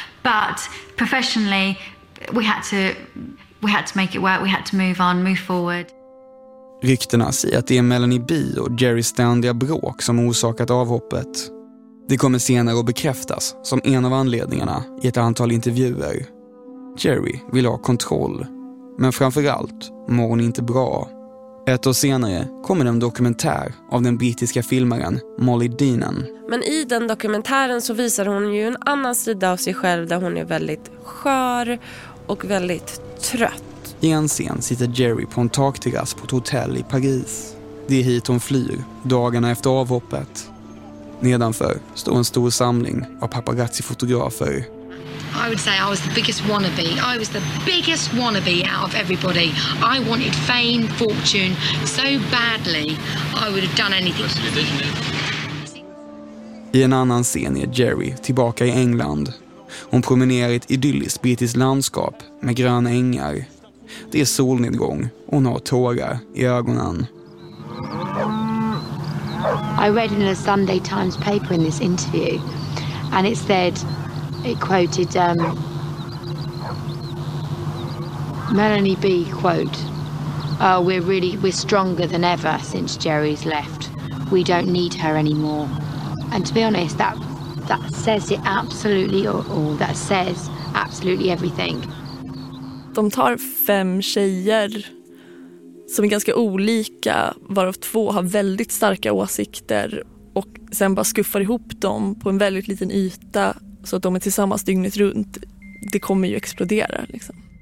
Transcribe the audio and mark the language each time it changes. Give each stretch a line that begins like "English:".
English: But professionally, we had to make it work. We had to move forward.
Swedish: Ryktena säger att det är Melanie B och Jerry ständiga bråk som orsakat avhoppet. Det kommer senare att bekräftas som en av anledningarna i ett antal intervjuer. Jerry vill ha kontroll, men framförallt mår hon inte bra. Ett år senare kommer en dokumentär av den brittiska filmaren Molly Deenan. Men i den dokumentären så visar hon ju en annan sida av sig själv, där hon är väldigt skör och väldigt trött. I en scen sitter Jerry på en takterrass på ett hotell i Paris. Det är hit hon flyr dagarna efter avhoppet. Nedanför står en stor samling av paparazzi-fotografer.
English: I would say I was the biggest wannabe. I was the biggest wannabe out of everybody. I wanted fame, fortune so badly. I would have done anything.
Swedish: I en annan scen är Jerry tillbaka i England. Hon promenerar i ett idylliskt brittiskt landskap med gröna ängar. Det är solnedgång och hon har tårar i ögonen.
English: I read in a Sunday Times paper in this interview, and it said, it quoted Melanie B, quote, "Oh, we're stronger than ever since Jerry's left. We don't need her anymore." And to be honest, that says it absolutely all. That says absolutely everything.
Swedish: De tar 5 tjejer som är ganska olika, varav 2 har väldigt starka åsikter, och sen bara skuffar ihop dem på en väldigt liten yta, så att de är tillsammans dygnet runt. Det kommer ju explodera liksom.